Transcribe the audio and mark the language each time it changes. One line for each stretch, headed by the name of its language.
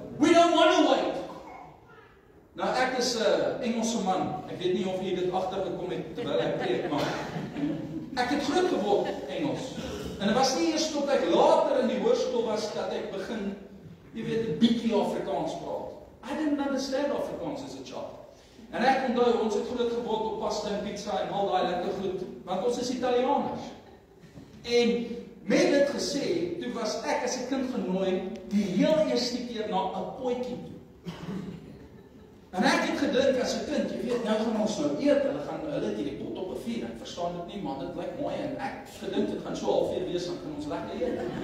English: We don't want to wait.
Afrikaans: Nou ek is 'n Engelse man. Ek weet nie of jy dit agtergekom het terwyl ek preek maar ek het groot geword Engels. En dit was nie eers tot ek later in die hoërskool was dat ek begin jy weet 'n bietjie Afrikaans praat.
English: I didn't understand Afrikaans as a child.
Afrikaans: En ek onthou ons het groot geword op pasta en pizza en al daai lekker goed, want ons is Italianers. En met dit gesê, toe was ek as 'n kind genooi die heel eerste keer na 'n potjie toe. En ek het gedink as 'n kind, jy weet, nou gaan ons nou eet, hulle het hierdie pot op 'n vuur. Ek verstaan dit nie, maar dit lyk mooi en ek gedink dit gaan so 'n halfuur wees en kan ons lekker eet.